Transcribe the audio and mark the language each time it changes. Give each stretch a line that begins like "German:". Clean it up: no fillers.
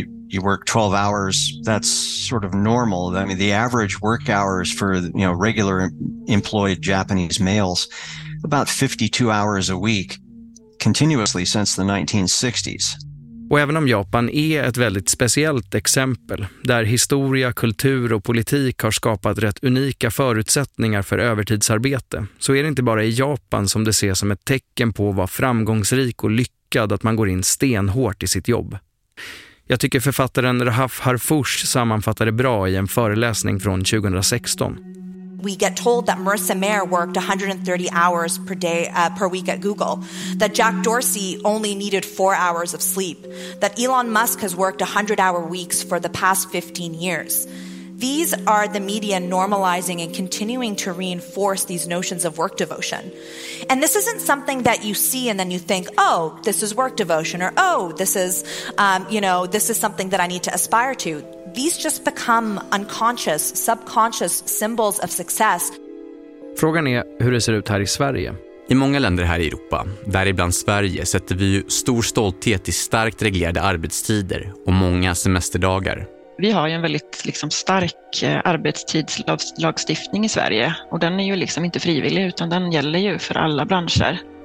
English: You work 12 hours, that's sort of normal. I mean, the average work hours for, regular employed Japanese males, about 52 hours a week, continuously since the 1960s.
Swedish: Och även om Japan är ett väldigt speciellt exempel, där historia, kultur och politik har skapat rätt unika förutsättningar för övertidsarbete, så är det inte bara i Japan som det ses som ett tecken på att vara framgångsrik och lyckad att man går in stenhårt i sitt jobb. Jag tycker författaren Rahaf Harfush sammanfattar det bra i en föreläsning från 2016.
English: We get told that Marissa Mayer worked 130 hours per day per week at Google, that Jack Dorsey only needed 4 hours of sleep, that Elon Musk has worked 100-hour weeks for the past 15 years. These are the media normalizing and continuing to reinforce these notions of work devotion. And this isn't something that you see and then you think, oh, this is work devotion, or oh, this is, this is something that I need to aspire to. These just become unconscious, subconscious symbols of success.
Swedish: Frågan är hur det ser ut här i Sverige. I många länder här i Europa, däribland Sverige, sätter vi ju stor stolthet i starkt reglerade arbetstider och många semesterdagar. Vi har ju en väldigt liksom stark arbetstidslagstiftning i Sverige och den är ju liksom inte frivillig utan den gäller ju för alla branscher.